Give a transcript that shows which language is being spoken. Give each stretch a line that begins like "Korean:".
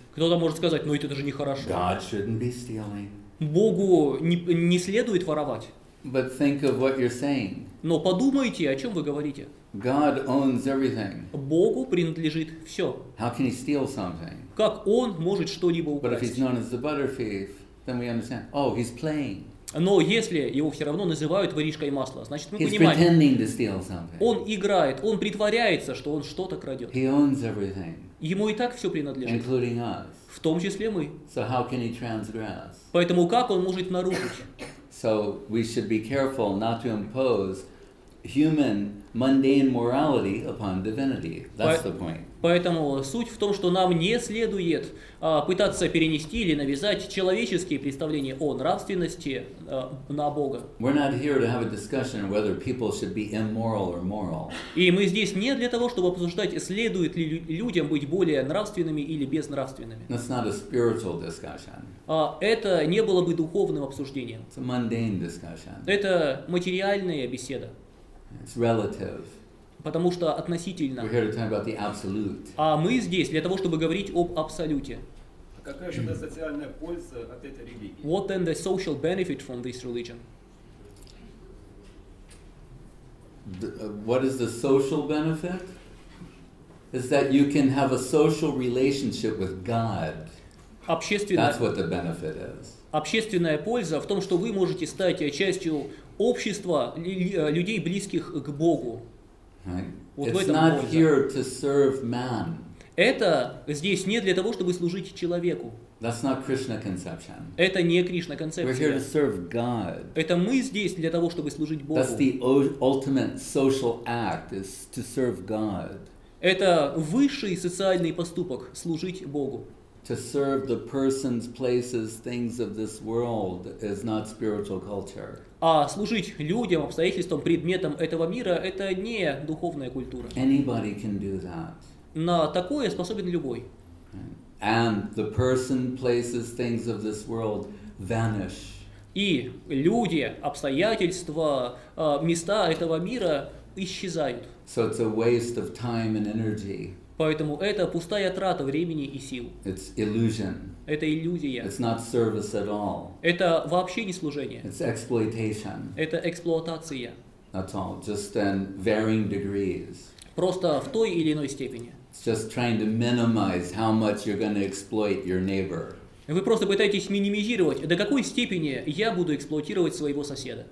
Russian: Кто-то может сказать, ну это даже нехорошо.
English: God shouldn't be stealing.
Russian: Богу не следует воровать.
English: But think of what you're saying.
Russian: Но подумайте, о чем вы говорите.
English: God owns everything.
Russian: Богу принадлежит все.
English: How can he steal something?
Russian: Как он может что-либо украсть?
English: But if he's known as the butter thief, then we understand. Oh, he's playing.
Russian: Но если его все равно называют воришкой масла, значит мы
English: he's
Russian: понимаем.
English: He's pretending to steal something.
Russian: Он играет, он притворяется, что он что-то крадет.
English: He owns everything.
Russian: Ему и так все принадлежит.
English: Including us.
Russian: В том числе мы.
English: So how can he transgress?
Russian: Поэтому как он может нарушить?
English: So we should be careful not to impose human mundane morality upon divinity. That's the point.
Russian: Поэтому суть в том, что нам не следует пытаться перенести или навязать человеческие представления о нравственности на Бога.
English: We're not here to have a discussion whether people should be immoral or moral.
Russian: И мы здесь не для того, чтобы обсуждать, следует ли людям быть более нравственными или безнравственными.
English: That's not a spiritual discussion.
Russian: Это не было бы духовным обсуждением.
English: It's a mundane discussion.
Russian: Это материальная беседа.
English: It's relative.
Russian: Потому что относительно.
English: We're here to talk about the absolute.
Russian: А мы здесь для того, чтобы говорить об абсолюте. Какая же социальная польза от этой религии?
English: What then the social benefit from this religion? What is the social benefit? Is that you can have a social relationship with God. That's what the benefit is.
Russian: Общественная польза в том, что вы можете стать частью общества людей, близких к Богу.
English: Right. Вот it's not
Russian: польза.
English: Here to serve man.
Russian: Это здесь не для того, чтобы служить человеку.
English: That's not Krishna conception.
Russian: Это не Кришна концепция.
English: We're here to serve God.
Russian: Это мы здесь для того, чтобы служить Богу.
English: That's the ultimate social act is to serve God.
Russian: Это высший социальный поступок служить Богу.
English: To serve the persons, places, things of this world is not spiritual culture.
Russian: А служить людям, обстоятельствам, предметам этого мира – это не духовная культура.
English: Anybody can do that.
Russian: На такое способен любой.
English: And the person, places, things of this world vanish.
Russian: И люди, обстоятельства, места этого мира исчезают.
English: So it's a waste of time and energy.
Russian: Поэтому это пустая трата времени и сил.
English: It's illusion.
Russian: Это иллюзия.
English: It's not service at all.
Russian: Это вообще не служение.
English: It's exploitation.
Russian: Это эксплуатация.
English: That's all. Just in varying degrees.
Russian: Просто в той или иной степени.
English: It's just trying to minimize how much you're going to exploit your neighbor.
Russian: Вы просто пытаетесь минимизировать, до какой степени я буду эксплуатировать своего соседа.